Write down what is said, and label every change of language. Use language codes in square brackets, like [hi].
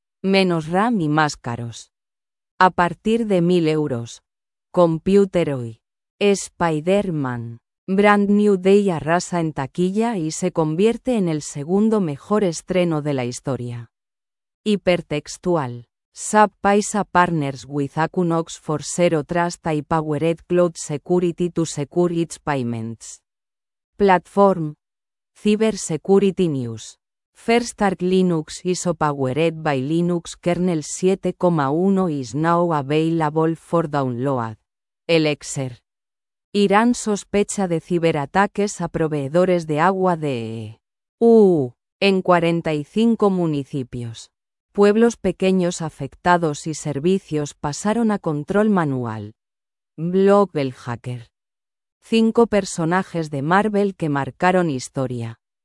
[es] Menos RAM y más caros. A partir de 1000 euros. Computer hoy. Spider-Man. Brand New Day arrasa en taquilla y se convierte en el segundo mejor estreno de la historia. Hipertextual. [en] SAP Paisa partners with Aquinox for Zero Trust y Powered Cloud Security to secure its payments. Platform. Cybersecurity News. First Arc Linux is powered by Linux Kernel 7.1 is now available for download. Elixir. [es] Irán sospecha de ciberataques a proveedores de agua de en 45 municipios. Pueblos pequeños afectados y servicios pasaron a control manual. Blog El Hacker. 5 personajes de Marvel que marcaron historia.